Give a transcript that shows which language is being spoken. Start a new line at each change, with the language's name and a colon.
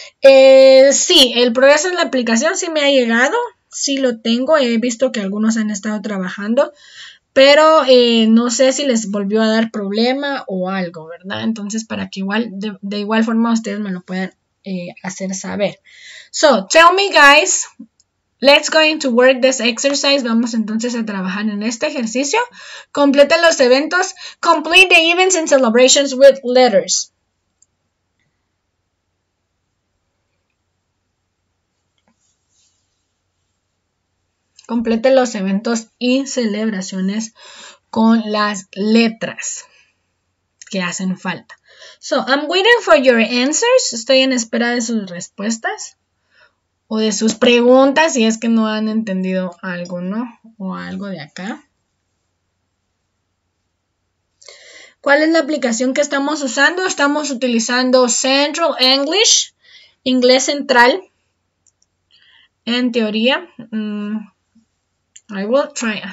Spanish: Sí, el progreso en la aplicación sí me ha llegado, sí lo tengo, he visto que algunos han estado trabajando. Pero no sé si les volvió a dar problema o algo, ¿verdad? Entonces, para que igual de igual forma ustedes me lo puedan hacer saber.
English: So, tell me, guys, let's going to work this exercise.
Spanish: Vamos entonces a trabajar en este ejercicio. Complete los eventos.
English: Complete the events and celebrations with letters.
Spanish: Complete los eventos y celebraciones con las letras que hacen falta.
English: So, I'm waiting for your answers.
Spanish: Estoy en espera de sus respuestas o de sus preguntas si es que no han entendido algo, ¿no? O algo de acá. ¿Cuál es la aplicación que estamos usando? Estamos utilizando Central English, inglés central, en teoría.
English: I will try.